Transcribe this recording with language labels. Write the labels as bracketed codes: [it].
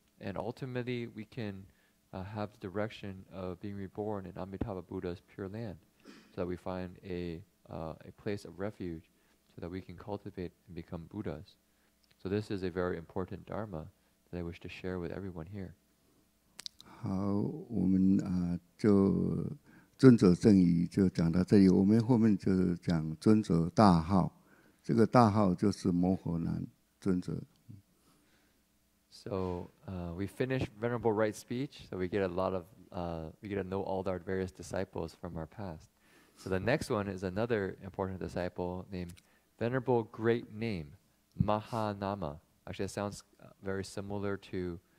[en] And ultimately, we can have the direction of being reborn in Amitabha Buddha's pure land, so that we find a place of refuge, so that we can cultivate and become Buddhas. So this is a very important Dharma that I wish to share with everyone here. [zh] 好，我们就尊者正义就讲到这里。我们后面就讲尊者大号，这个大号就是摩诃难尊者。 [en] So, we finish Venerable Right Speech, so we get a lot of, we get to know all our various disciples from our past. So the next one is another important disciple named Venerable Great Name, Mahanama. Actually, it sounds very similar to.